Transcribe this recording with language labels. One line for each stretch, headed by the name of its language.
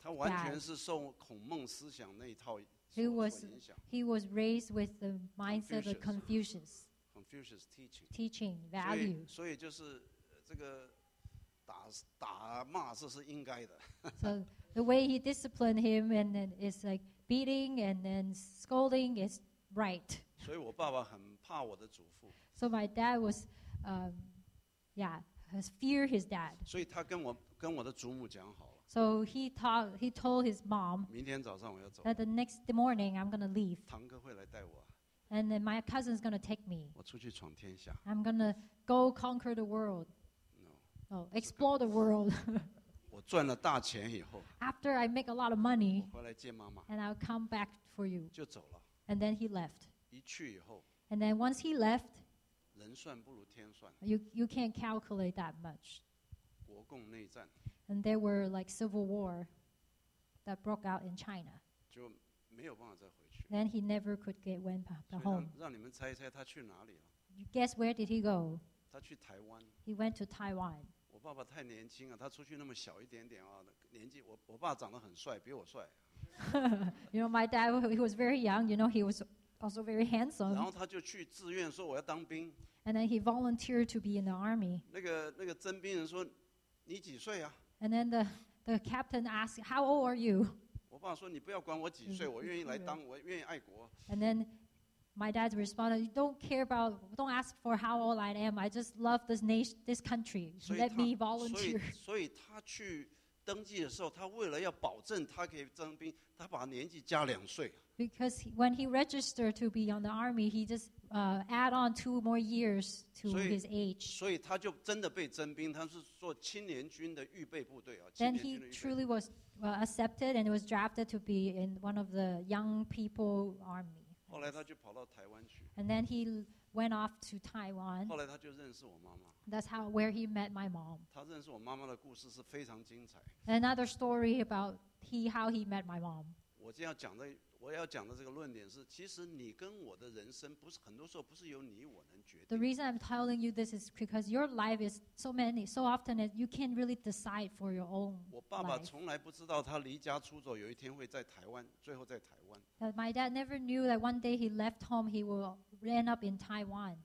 Chinese: 他完全是受孔孟思想那一套所影响。
English: He was raised with the mindset of Confucius. Confucius teaching. Teaching value.
Chinese: 所以就是这个打骂这是应该的。
English: So the way he disciplined him and then it's like beating and then scolding is right.
Chinese: 所以我爸爸很。怕我的祖父。
English: So my dad was, yeah, fear his dad.
Chinese: 所以他跟我的祖母讲好了。
English: So he told his mom.
Chinese: 明天早上我要走。
English: That the next morning I'm gonna leave.
Chinese: 堂哥会来带我。
English: And then my cousin's gonna take me.
Chinese: 我出去闯天下。
English: I'm gonna go conquer the world. No. Explore the world.
Chinese: 我赚了大钱以后。
English: After I make a lot of money.
Chinese: 我回来见妈妈。
English: And I'll come back for you.
Chinese: 就走了。
English: And then he left.
Chinese: 一去以后。
English: And then once he left,
Chinese: 人算不如天算。
English: You can't calculate that much.
Chinese: 国共内战。
English: And there were like civil war that broke out in China.
Chinese: 就没有办法再回去。
English: Then he never could get went back home.
Chinese: 所以让你们猜一猜他去哪里了。
English: You guess where did he go?
Chinese: 他去台湾。
English: He went to Taiwan.
Chinese: 我爸爸太年轻了，他出去那么小一点点啊，年纪我爸长得很帅，比我帅。
English: You know, my dad, he was very young. You know, he was. Also very handsome.
Chinese: 然后他就去自愿说我要当兵。
English: And then he volunteered to be in the army.
Chinese: 那个征兵人说，你几岁啊？
English: And then the captain asked, "How old are you?"
Chinese: 我爸说你不要管我几岁，我愿意来当，我愿意爱国。
English: And then my dad responded, "You don't care about, don't ask for how old I am. I just love this nation, this country. Let me volunteer."
Chinese: 所以他去登记的时候，他为了要保证他可以征兵，他把年纪加两岁。
English: Because when he registered to be on the army, he just add on two more years to his age.
Chinese: 所以他就真的被征兵，他是做青年军的预备部队啊。
English: Then he truly was accepted and was drafted to be in one of the young people army.
Chinese: 后来他就跑到台湾去。
English: And then he went off to Taiwan.
Chinese: 后来他就认识我妈妈。
English: That's how where he met my mom.
Chinese: 他认识我妈妈的故事是非常精彩。
English: Another story about how he met my mom.
Chinese: 我要讲的这个论点是，其实你跟我的人生不是很多时候不是由你我能决定。
English: The reason I'm telling you this is because your life is so often that you can't really decide for your own life.
Chinese: 我爸爸从来不知道他离家出走有一天会在台湾，最后在台湾。
English: My dad never knew that one day he left home he will end up in Taiwan.